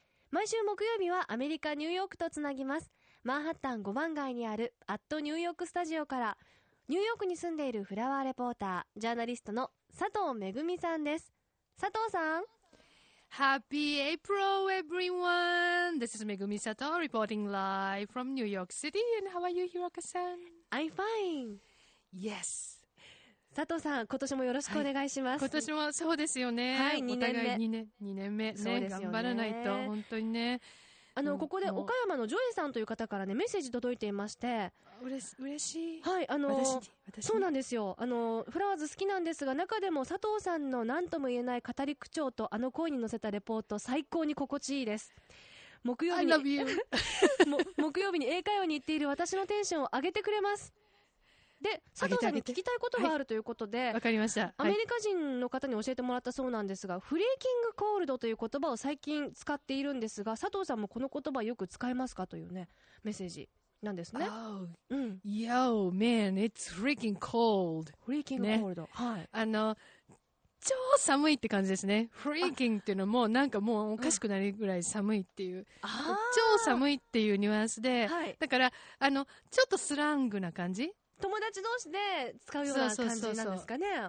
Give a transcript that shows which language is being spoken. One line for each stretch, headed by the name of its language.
Japanese: 毎週木曜日はアメリカニューヨークとつなぎます。マンハッタン5番街にあるアットニューヨークスタジオからニューヨークに住んでいるフラワーレポータージャーナリストの佐藤めぐみさんです。佐藤さん、
English: ハッピーエイプロー、エブリワン。 This is Megumi Sato, reporting live from New York City. And how are you, Hiroka-san? I'm fine. Yes.
Japanese: 佐藤さん、今年もよろしくお願いします。はい、今年もそうですよね。はい、2年目。お互い2年目、ね。そうですよね。頑張らないと、本当にね。ここで岡山のジョエさんという方からね、メッセージ届いていまして。嬉しい。はい、私そうなんですよ。フラワーズ好きなんですが、中でも佐藤さんの何とも言えない語り口調と、あの声に乗せたレポート、最高に心地いいです。木曜日に、
English: I love you.
Japanese: 木曜日に英会話に行っている私のテンションを上げてくれます。で、佐藤さんに聞きたいことがあるということで、わかりました。アメリカ人の方に教えてもらったそうなんですが、はい、フリーキングコールドという言葉を最近使っているんですが、佐藤さんもこの言葉よく使えますかというね、メッセージなんですね。
English: Oh, yo, man, it's freaking cold. フリーキングコールド。
Japanese: ね、はい。超寒いって感じですね。フリーキングっていうのもなんかもうおかしくなるぐらい寒いっていう、超寒いっていうニュアンスで、はい、だから、ちょっとスラングな感じ、友達同士で使うような感じなんですかね。